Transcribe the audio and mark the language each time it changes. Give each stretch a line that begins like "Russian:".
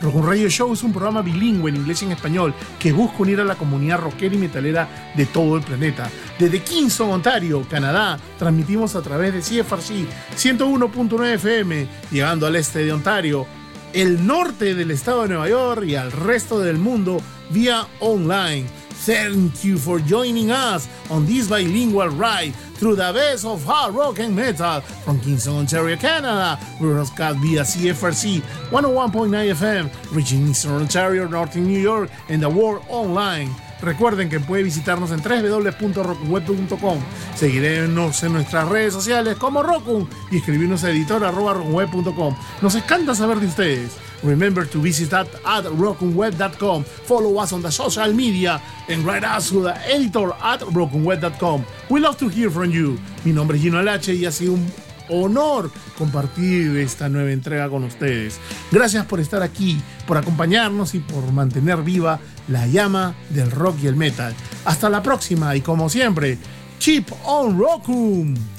Spanish: Rock'n Radio Show es un programa bilingüe en inglés y en español que busca unir a la comunidad rockera y metalera de todo el planeta. Desde Kingston, Ontario, Canadá, transmitimos a través de CFRC 101.9 FM, llegando al este de Ontario, el norte del estado de Nueva York y al resto del mundo vía online.
English: Thank you for joining us on this bilingual ride through the best of hard rock and metal from Kingston, Ontario, Canada. We broadcast via CFRC 101.9 FM, reaching Eastern Ontario, Northern New York, and the world online.
Spanish: Recuerden que puede visitarnos en www.rockunweb.com, seguirnos en nuestras redes sociales como Rockun y escribirnos a editor@rockunweb.com. Nos encanta saber de ustedes.
English: Remember to visit that at rockunweb.com, follow us on the social media and write us to the editor@rockunweb.com. We love to hear from you.
Spanish: Mi nombre es Gino Alache y ha sido un honor compartir esta nueva entrega con ustedes. Gracias por estar aquí, por acompañarnos y por mantener viva la llama del rock y el metal. Hasta la próxima y como siempre,
English: Keep on Rockin'.